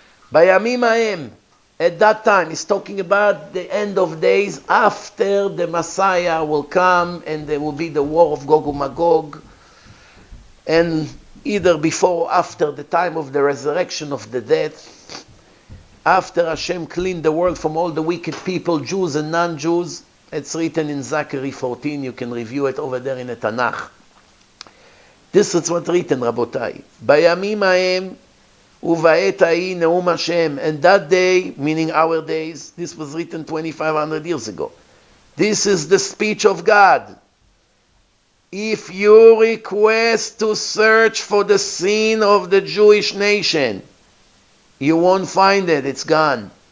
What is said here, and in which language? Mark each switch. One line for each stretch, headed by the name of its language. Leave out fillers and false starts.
Hebrew: Bayamim ahem,
English: at that time, he's talking about the end of days after the Messiah will come and there will be the war of Gog Magog, and either before or after the time of the resurrection of the dead, after Hashem cleaned the world from all the wicked people, Jews and non-Jews. It's written in Zechariah 14. You can review it over there in the Tanakh. This is what's written, Rabotai. Bayamim ahem,
Hebrew: ובעת ההיא נאום השם.
English: And that day, meaning our days, this was written 2,500 years ago. This is the speech of God. If you request to search for the sin of the Jewish nation, you won't find it, it's gone.